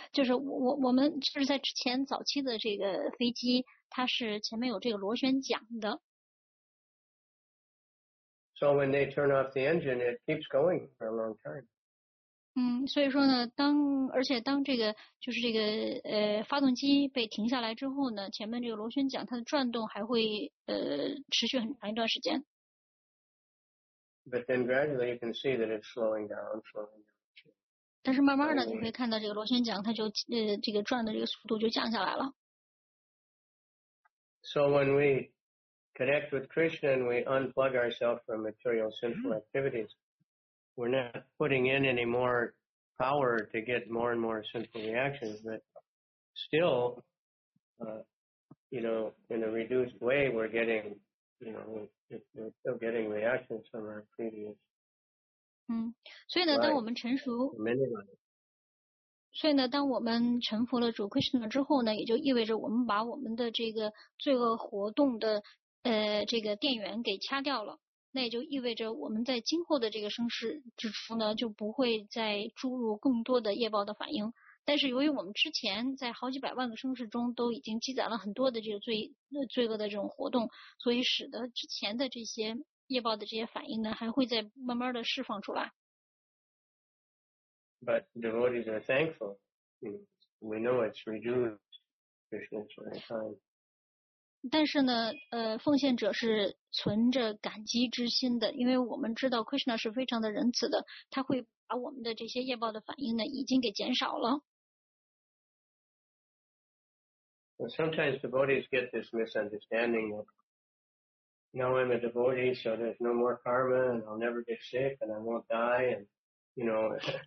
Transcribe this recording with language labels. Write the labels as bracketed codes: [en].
[zh] 就是我们就是在之前早期的这个飞机，它是前面有这个螺旋桨的。 [en] So when they turn off the engine, it keeps going for a long time. [zh] 所以说呢，而且当这个就是这个发动机被停下来之后呢，前面这个螺旋桨它的转动还会持续很长一段时间。 [en] But then gradually you can see that it's slowing down, slowing down. [zh] 但是慢慢的你会看到这个螺旋桨它就这个转的这个速度就降下来了。 [en] So when we connect with Krishna and we unplug ourselves from material sinful activities. We're not putting in any more power to get more and more sinful reactions, but still, you know, in a reduced way, we're getting, you know, we're still getting reactions from our previous. [zh] 所以呢，当我们成熟，所以呢，当我们臣服了主 Krishna 之后呢，也就意味着我们把我们的这个罪恶活动的这个电源给掐掉了。那也就意味着我们在今后的这个生世之初呢，就不会再注入更多的业报的反应。但是由于我们之前在好几百万个生世中都已经积攒了很多的这个罪恶的这种活动，所以使得之前的这些业报的这些反应呢，还会再慢慢的释放出来。 [en] But devotees are thankful. We know it's reduced Krishna's lifetime. [zh] 但是呢，奉献者是存着感激之心的，因为我们知道 Krishna 是非常的仁慈的，他会把我们的这些业报的反应呢，已经给减少了。 Well, sometimes devotees get this misunderstanding of, now I'm a devotee, so there's no more karma, and I'll never get sick, and I won't die, and you know.